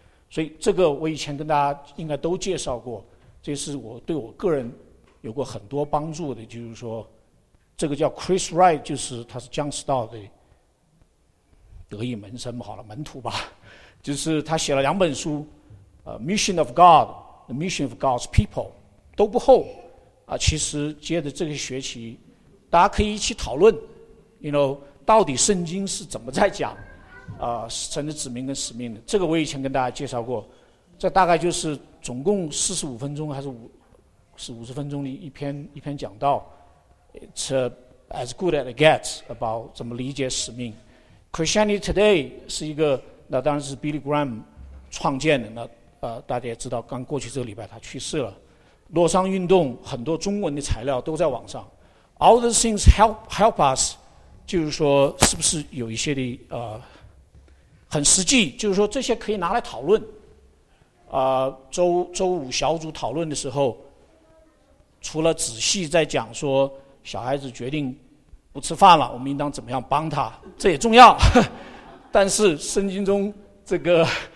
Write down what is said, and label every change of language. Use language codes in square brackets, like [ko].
[zh] 所以这个我以前跟大家应该都介绍过，这是我对我个人有过很多帮助的，就是说这个叫 Chris Wright， 就是他是姜士道的得意门生，好了，门徒吧，就是他写了两本书Mission of God， The Mission of God's People， 都不厚其实接着这个学期大家可以一起讨论 you know 到底圣经是怎么在讲神的指明跟使命的。这个我以前跟大家介绍过，这大概就是总共45分钟还是50分钟的一篇讲道。 [en] It's as good as it gets about [zh] 怎么理解使命。 Christianity Today 是一个，那当然是 Billy Graham 创建的，那大家也知道刚过去这个礼拜他去世了。洛桑运动很多中文的材料都在网上。 [en] All the things help us， [zh] 就是说是不是有一些的很实际，就是说这些可以拿来讨论周五小组讨论的时候，除了仔细在讲说小孩子决定不吃饭了我们应当怎么样帮他，这也重要，但是圣经中这个